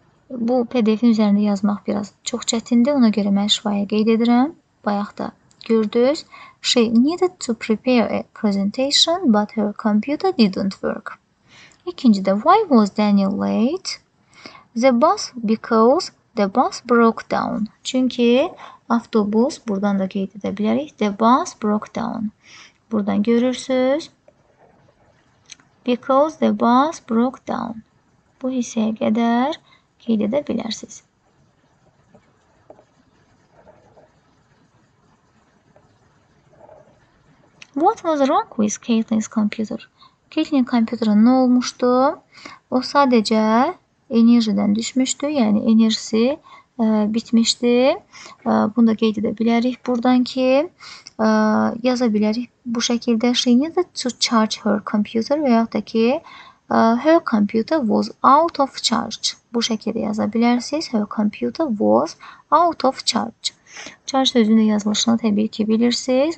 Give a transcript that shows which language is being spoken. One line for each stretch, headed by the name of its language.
Azerbaijani: Bu PDF-in üzərində yazmaq biraz çox çətindir, ona görə mən şifaya qeyd edirəm. Bayaq da gördünüz.
English: She needed to prepare a presentation, but her computer didn't work.
Azerbaijani: İkincidə,
English: why was Daniel late? The bus broke down.
Azerbaijani: Çünki avtobus, buradan da qeyd edə bilərik.
English: The bus broke down.
Azerbaijani: Buradan görürsüz.
English: Because the bus broke down.
Azerbaijani: Bu hissəyə qədər qeyd edə bilərsiniz.
English: What was wrong with Caitlin's computer?
Azerbaijani: Caitlin kompüterin nə olmuşdu? O sadəcə enerjidən düşmüşdü, yəni enerjisi bitmişdi. Bunu da qeyd edə bilərik buradan ki, yaza bilərik bu şəkildə.
English: She needed to charge her computer
Azerbaijani: və yaxud da ki,
English: her computer was out of charge.
Azerbaijani: Bu şəkildə yaza bilərsiniz.
English: Her computer was out of charge.
Azerbaijani: Charge sözünün yazılışını təbii ki, bilirsiniz.